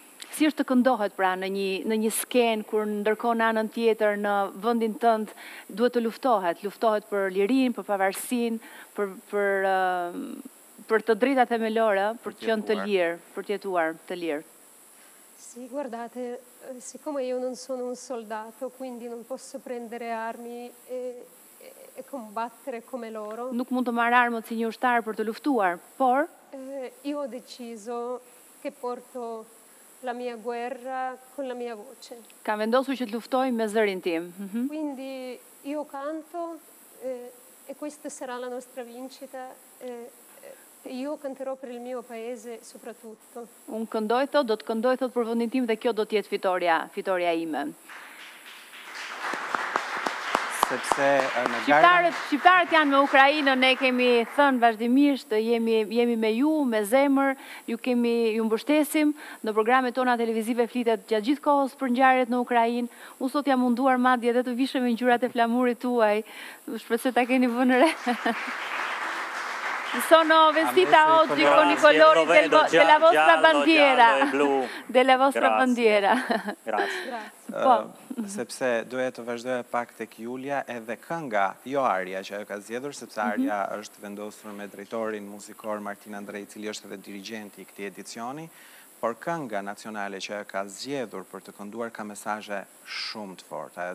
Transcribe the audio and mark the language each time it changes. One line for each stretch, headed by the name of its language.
Albanian: Si është këndohet pra në një skenë kur ndërkohë në anën tjetër në vendin tënd duhet të luftohet për lirinë, për pavarësinë, per të drita temelore, per të qënë të lirë, per të jetuar të lirë.
Italian: Sì, guardate, siccome io non sono un soldato, quindi non posso prendere armi e combattere come loro.
Albanian: Nuk mund të marrë armët si një ushtar per të luftuar, por...
Italian: Io ho deciso che porto la mia guerra con la mia voce.
Albanian: Kam vendosur që të luftoj me zërin tim.
Italian: Quindi io canto e questa sarà la nostra vincita... Io canterò per il mio paese soprattutto.
Albanian: Un këndoj thot, do të këndoj thot për vendin tim dhe kjo do të jetë fitoria ime. Sepse Shqiptarët janë me Ukrainën, ne kemi thënë vazhdimisht, jemi me ju, me zemër, ju mbështesim. Në programet tona televizive flitet gjatë gjithë kohës për ngjarjet në Ukrainë. Unë sot jam munduar madje edhe të vishem ngjyrat e flamurit tuaj. Shpresoj ta keni vënë re.
Italian: Sono vestita oggi con i colori della vostra bandiera. Della vostra bandiera. Grazie.
Albanian: Sepse duhet të vazhdoja pak tek Julia edhe kënga, jo Aria që ajo ka zgjedhur, sepse Aria është vendosur me drejtorin muzikor Martin Andrej, cili është edhe dirigenti i këtij edicioni, por kënga nacionale që ajo ka zgjedhur për të kënduar ka mesazhe shumë të forta.